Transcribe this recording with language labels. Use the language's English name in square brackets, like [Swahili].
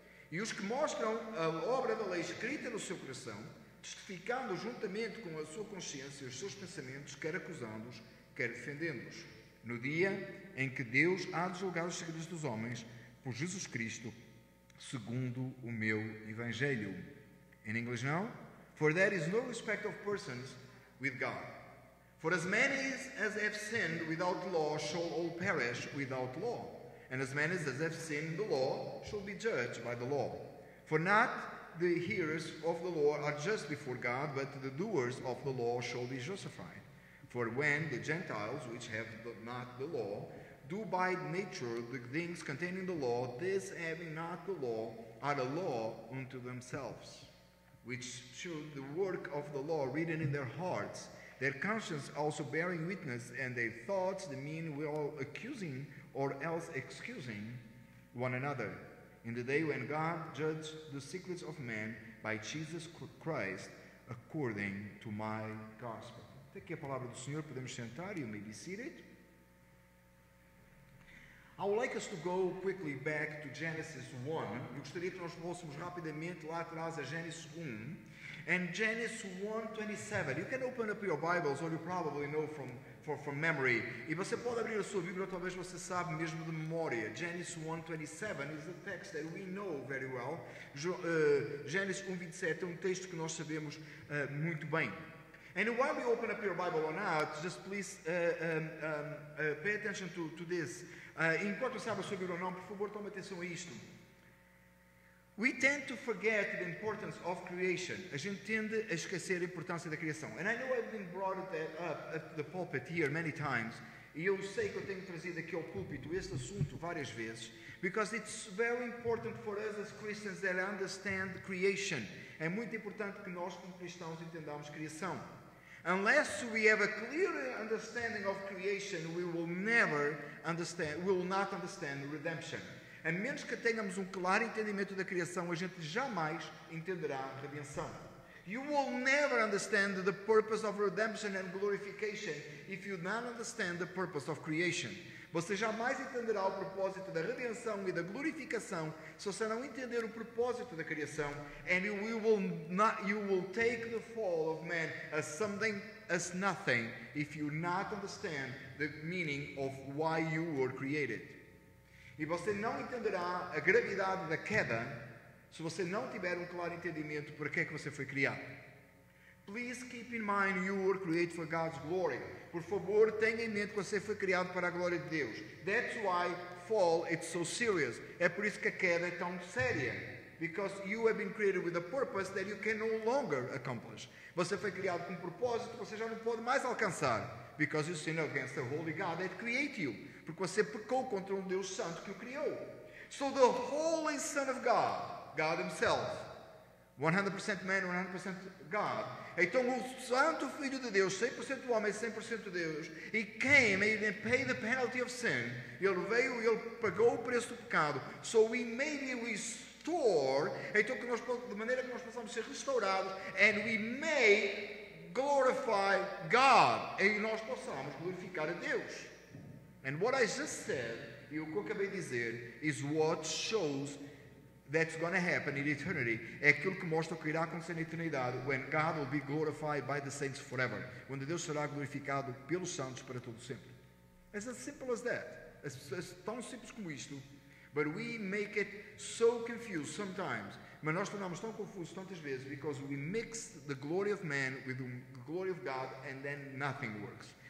[Portuguese] E os que mostram a obra da lei escrita no seu coração, testificando juntamente com a sua consciência os seus pensamentos, quer acusando-os, quer defendendo-os, no dia em que Deus há de julgar os segredos dos homens por Jesus Cristo, segundo o meu Evangelho. [English] In English now, for there is no respect of persons with God. For as many as have sinned without law shall all perish without law. And as many as have sinned the law shall be judged by the law. For not the hearers of the law are just before God, but the doers of the law shall be justified. For when the Gentiles, which have not the law, do by nature the things containing the law, this having not the law, are a law unto themselves, which should the work of the law written in their hearts, their conscience also bearing witness, and their thoughts the mean will accusing or else excusing one another, in the day when God judge the secrets of men by Jesus Christ according to my gospel. [Portuguese] Até aqui a palavra do Senhor, podemos sentar. [English] You may be seated. I would like us to go quickly back to Genesis 1. [Portuguese] Eu gostaria que nós fôssemos rapidamente lá atrás a Gênesis 1. [English] And Genesis 1:27. You can open up your Bibles, or you probably know from memory. [Portuguese] E você pode abrir a sua Bíblia, talvez você sabe mesmo de memória. [English] Genesis 1:27 is a text that we know very well. [Portuguese] Genesis 1:27 é um texto que nós sabemos muito bem. [English] And while you open up your Bible or not, just please pay attention to this. [Portuguese] Enquanto você abre a sua Bíblia ou não, por favor, tome atenção a isto. [English] We tend to forget the importance of creation. [Portuguese] A gente tende a esquecer a importância da criação. [English] And I know I've been brought that up at the pulpit here many times. [Portuguese] E eu sei que eu tenho trazido aqui ao púlpito este assunto várias vezes. [English] Because it's very important for us as Christians that understand creation. [Portuguese] É muito importante que nós como cristãos entendamos criação. [English] Unless we have a clear understanding of creation, we will never understand, we will not understand redemption. [Portuguese] A menos que tenhamos um claro entendimento da criação, a gente jamais entenderá a redenção. [English] You will never understand the purpose of redemption and glorification if you do not understand the purpose of creation. [Portuguese] Você jamais entenderá o propósito da redenção e da glorificação se você não entender o propósito da criação. [English] And you will take the fall of man as something, as nothing, if you not understand the meaning of why you were created. [Portuguese] E você não entenderá a gravidade da queda se você não tiver um claro entendimento por que é que você foi criado. [English] Please keep in mind you were created for God's glory. [Portuguese] Por favor, tenha em mente que você foi criado para a glória de Deus. [English] That's why fall is so serious. [Portuguese] É por isso que a queda é tão séria. [English] Because you have been created with a purpose that you can no longer accomplish. [Portuguese] Você foi criado com um propósito que você já não pode mais alcançar. [English] Because you sinned against the holy God that created you. [Portuguese] Porque você pecou contra um Deus santo que o criou. [English] So the holy Son of God, God himself, 100% man, 100% God. [Portuguese] Então o Santo Filho de Deus, 100% homem, 100% Deus, [English] he came and he paid the penalty of sin. [Portuguese] Ele veio e ele pagou o preço do pecado. [English] So we may be restored. [Portuguese] Então que nós, de maneira que nós possamos ser restaurados, [English] and we may glorify God. [Portuguese] E nós possamos glorificar a Deus. [English] And what I just said, [Portuguese] e o que eu acabei de dizer, [English] is what shows that's going to happen in eternity. [Portuguese] É aquilo que mostra o que irá acontecer na eternidade, [English] when God will be glorified by the saints forever. [Portuguese] Quando Deus será glorificado pelos santos para todo sempre. [English] It's as simple as that. It's [Portuguese] tão simples como isto. [English] But we make it so confused sometimes. [Portuguese] Mas nós tornamos tão confusos tantas vezes [English] because we mix the glory of man with the glory of God and then nothing works.